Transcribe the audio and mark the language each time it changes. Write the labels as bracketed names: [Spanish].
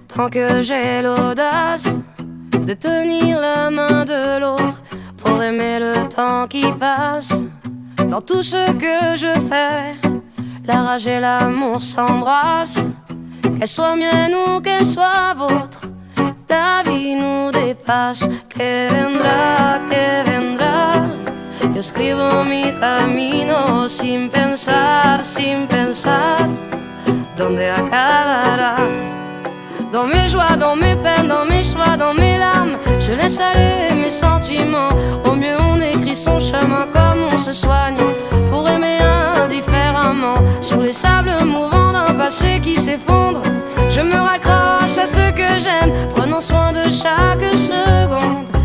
[French] Que j'ai l'audace de tenir la main de l'autre pour aimer le temps qui passe. Dans tout ce que je fais, la rage et l'amour s'embrassent. Qu'elle soit mienne ou qu'elle soit vôtre, la vie nous dépasse. [Spanish] Que vendrá, que vendrá. Yo escribo mi camino sin pensar, sin pensar. donde acabará. [French] Dans mes joies, dans mes peines, dans mes choix, dans mes larmes, je laisse aller mes sentiments. Au mieux on écrit son chemin comme on se soigne pour aimer indifféremment. Sur les sables mouvants d'un passé qui s'effondre, je me raccroche à ce que j'aime, prenant soin de chaque seconde.